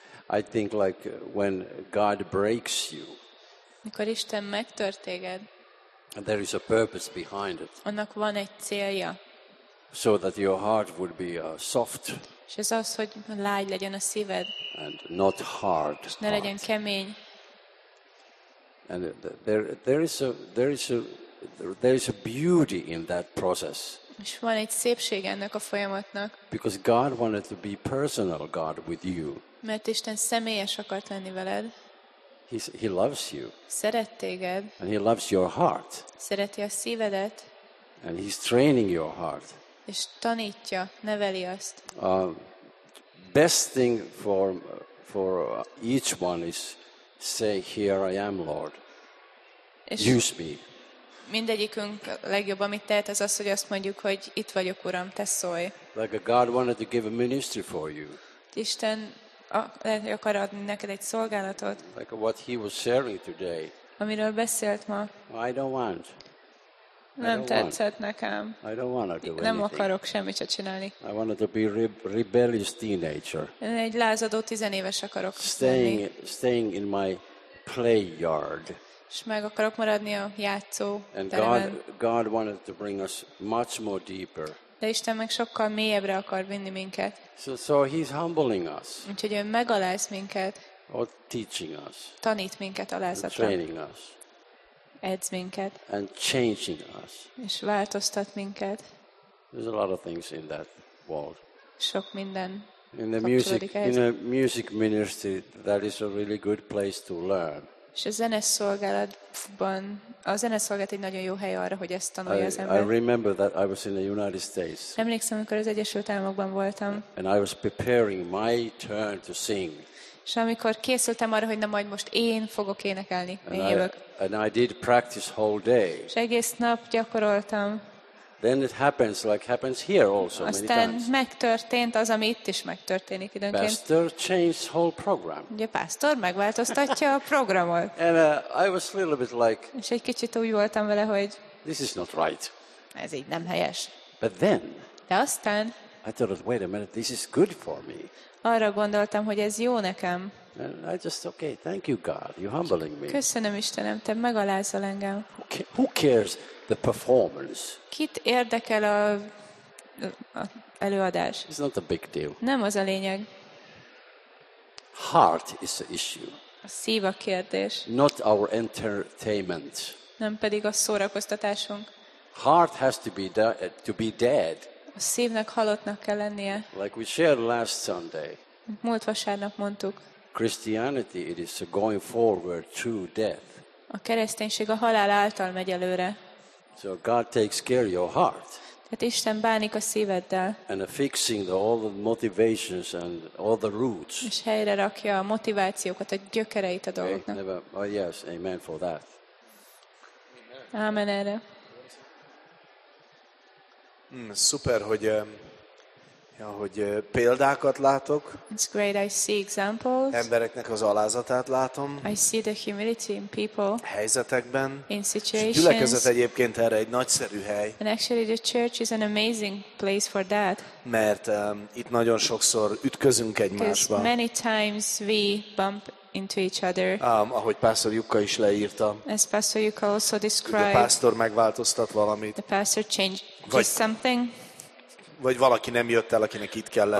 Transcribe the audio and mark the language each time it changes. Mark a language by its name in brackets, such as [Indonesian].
[English] I think like when God breaks you. [Hungarian] Mikor Isten megtör téged. [English] There is a purpose behind it. [Hungarian] Annak van egy célja. [English] So that your heart would be soft. [Hungarian] És ez az, hogy lágy legyen a szíved. [English] And not hard. [Hungarian] És ne legyen kemény. [English] And there is a beauty in that process. [Hungarian] És van egy szépség ennek a folyamatnak. [English] Because God wanted to be personal God with you. [Hungarian] Mert Isten személyes akart lenni veled. [English] He loves you. [Hungarian] Szeret téged. [English] And he loves your heart. [Hungarian] Szereti a szívedet. [English] And he's training your heart. [Hungarian] És tanítja, neveli azt. [English] Best thing for each one is say, here I am, Lord. Use me. [Hungarian] Mindegyikünk legjobb, amit tehet, az az, hogy azt mondjuk, hogy itt vagyok, Uram, te szólj. [English] Like a God wanted to give a ministry for you. [Hungarian] Isten akar adni neked egy szolgálatot. [English] Like what he was sharing today. [Hungarian] Amiről beszélt ma. [English] I don't want. [Hungarian] Nem tetszett nekem. [English] I don't want to do anything. [Hungarian] Nem akarok semmit se csinálni. [English] I wanted to be rebellious teenager. [Hungarian] Egy lázadó tizenéves akarok [English] staying, [Hungarian] lenni. [English] Staying in my play yard. [Hungarian] És meg akarok maradni a játszó teremben. [English] And God wanted to bring us much more deeper. [Hungarian] De Isten meg sokkal mélyebbre akar vinni minket. [English] So he's humbling us. [Hungarian] Úgyhogy ő megaláz minket. [English] Or teaching us. [Hungarian] Tanít minket alázatra. [English] Training us. [Hungarian] Edz minket. [English] And changing us. [Hungarian] És változtat minket. [English] There's a lot of things in that world. [Hungarian] Sok minden. [English] In the music, in a music ministry, that is a really good place to learn. [Hungarian] És a zeneszolgálatban, a zeneszolgálat egy nagyon jó hely arra, hogy ezt tanulja az ember. [English] I remember that I was in the United States. [Hungarian] Emlékszem, amikor az Egyesült Államokban voltam. [English] And I was preparing my turn to sing. [Hungarian] És amikor készültem arra, hogy na majd most én fogok énekelni, én jövök. [English] And I did practice whole day. [Hungarian] És egész nap gyakoroltam. [English] Then it happens like happens here also many times. [Hungarian] Aztán megtörtént az, ami itt is megtörténik időnként. [English] Pastor changed whole program. [Hungarian] Ugye pastor megváltoztatja a programot. [English] And I was a little bit like. [Hungarian] És egy kicsit úgy voltam vele, hogy. [English] This is not right. [Hungarian] Ez így nem helyes. [English] But then. [Hungarian] De aztán. [English] I thought, wait a minute, this is good for me. [Hungarian] Arra gondoltam, hogy ez jó nekem. [English] And I just okay, thank you God, you're humbling me. [Hungarian] Köszönöm Istenem, te megalázol engem. [English] Who cares the performance? [Hungarian] Kit érdekel a előadás? [English] It's not a big deal. [Hungarian] Nem az a lényeg. [English] Heart is the issue. [Hungarian] A szív a kérdés. [English] Not our entertainment. [Hungarian] Nem pedig a szórakoztatásunk. [English] Heart has to be dead. [Hungarian] A szívnek halottnak kell lennie. [English] Like we shared last Sunday. [Hungarian] Múlt vasárnap mondtuk. [English] Christianity, it is going forward through death. [Hungarian] A kereszténység a halál által megy előre. [English] So God takes care of your heart. [Hungarian] Tehát Isten bánik a szíveddel. [English] And fixing all the motivations and all the roots. [Hungarian] És helyre rakja a motivációkat, a gyökereit a dolgoknak. [English] Never, oh yes, amen for that. [Hungarian] Amen erre. Szuper, hogy hogy példákat látok. [English] It's great, I see examples. [Hungarian] Embereknek az alázatát látom. [English] I see the humility in people. [Hungarian] Helyzetekben. [English] In situations. [Hungarian] És gyülekezet egyébként erre egy nagyszerű hely. [English] And actually the church is an amazing place for that. [Hungarian] Mert itt nagyon sokszor ütközünk egymásba. [English] Many times we bump into each other. [Hungarian] Ahogy Pastor Jukka is leírta. [English] As Pastor Jukka also described. [Hungarian] A pastor megváltoztat valamit. [English] The pastor changed something. [Hungarian] vagy valaki nem jött el, akinek itt kellett